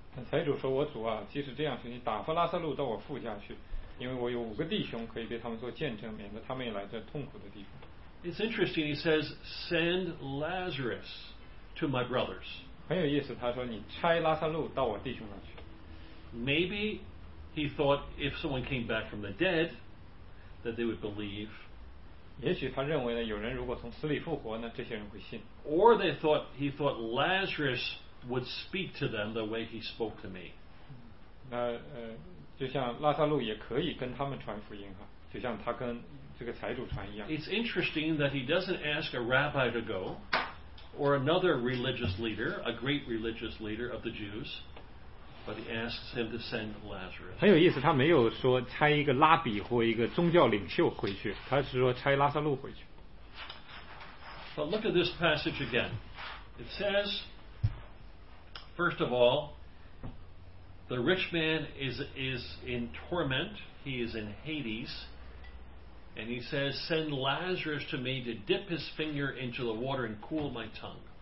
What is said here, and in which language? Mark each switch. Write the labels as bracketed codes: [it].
[zh] 财主说我主啊即使这样请你打发拉撒路到我父家去因为我有五个弟兄可以被他们做见证免得他们也来这痛苦的地方 [en] It's interesting he says send Lazarus to my brothers [zh] 很有意思他说你差拉撒路到我弟兄那去 [en] Maybe he thought if someone came back from the dead that they would believe [zh] 也许他认为呢有人如果从死里复活呢这些人会信 [en] Or they thought he thought Lazarus would speak to them the way he spoke to me. [zh] 那就像拉撒路也可以跟他们传福音哈，就像他跟这个财主传一样。 [en] It's interesting that he doesn't ask a rabbi to go, or another religious leader, a great religious leader of the Jews, but he asks him to send Lazarus. [zh] 很有意思，他没有说差一个拉比或一个宗教领袖回去，他是说差拉撒路回去。 [en] But look at this passage again. It says. First of all, the rich man is in torment. He is in Hades. And he says, send Lazarus to me to dip his finger into the water and cool my tongue.